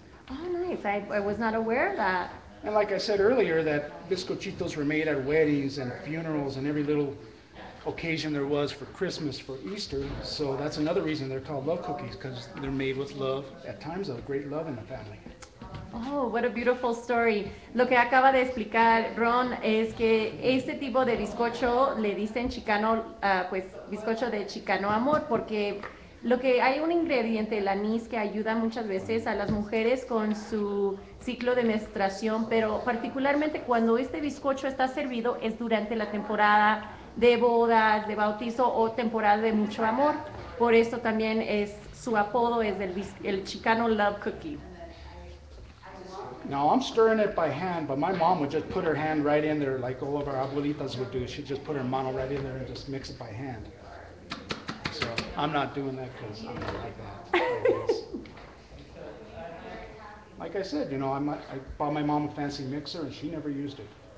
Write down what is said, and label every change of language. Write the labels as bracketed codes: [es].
[en] Oh, nice. I was not aware of that. And like I said earlier, that bizcochitos were made at weddings and funerals and every little occasion there was, for Christmas, for Easter. So that's another reason they're called love cookies, because they're made with love, at times of great love in the family. Oh, what a beautiful story. [es] Lo que acaba de explicar Ron es que este tipo de bizcocho le dicen Chicano, pues bizcocho de Chicano amor, porque Lo que hay un ingrediente, el anís, que ayuda muchas veces a las mujeres con su ciclo de menstruación, pero particularmente cuando este bizcocho está servido es durante la temporada de bodas, de bautizo o temporada de mucho amor. Por eso también es su apodo es el Chicano Love Cookie. [en] Now I'm stirring it by hand, but my mom would just put her hand right in there like all of our abuelitas would do. She'd just put her mano right in there and just mix it by hand. So I'm not doing that because I'm not like that. Like I said, you know, I bought my mom a fancy mixer and she never used it.